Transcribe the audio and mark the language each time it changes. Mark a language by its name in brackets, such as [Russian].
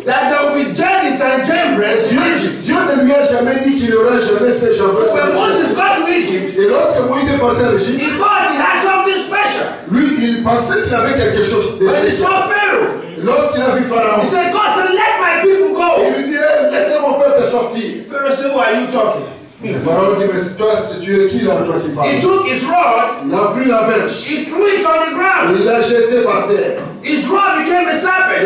[English] that there will be Jabez and Jambres in Egypt. [French] Dieu ne lui a jamais dit qu'il y aurait jamais ces Jambres. [English] So when Moses got to Egypt, [French] et lorsque Moïse est parti en Égypte, [English] he thought he had something special. [French] Lui, il pensait qu'il avait quelque chose de spécial. [English] When he saw Pharaoh, [French] lorsqu'il a vu Pharaon, [English] he said, God said, let my people go. [French] Il lui dit, laissez mon peuple sortir. [English] Pharaoh said, why are you talking? [French] Le pharaon dit, mais toi, tu es qui là, toi qui parles? [English] He took his rod. [French] Il a pris la verge. [English] He threw it on the ground. [French] Il l'a jeté par terre. [English] His rod became a serpent.